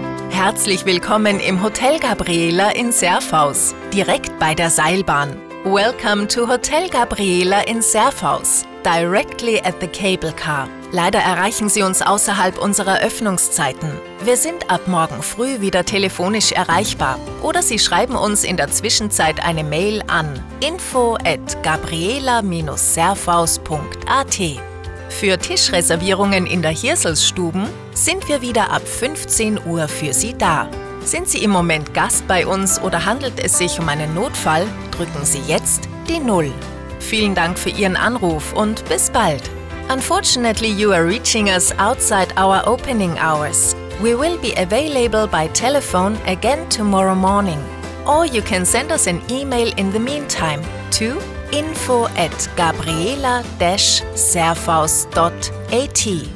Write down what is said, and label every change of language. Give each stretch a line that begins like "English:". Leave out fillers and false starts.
German: herzlich willkommen im Hotel Gabriela in Serfaus, direkt bei der Seilbahn.
English: Welcome to Hotel Gabriela in Serfaus, directly at the cable car.
German: Leider erreichen Sie uns außerhalb unserer Öffnungszeiten. Wir sind ab morgen früh wieder telefonisch erreichbar. Oder Sie schreiben uns in der Zwischenzeit eine Mail an info@gabriela-serfaus.at. Für Tischreservierungen in der Hirselstuben sind wir wieder ab 15 Uhr für Sie da. Sind Sie im Moment Gast bei uns oder handelt es sich um einen Notfall, drücken Sie jetzt die 0. Vielen Dank für Ihren Anruf und bis bald.
English: Unfortunately, you are reaching us outside our opening hours. We will be available by telephone again tomorrow morning. Or you can send us an email in the meantime to info@gabriela-serfaus.at.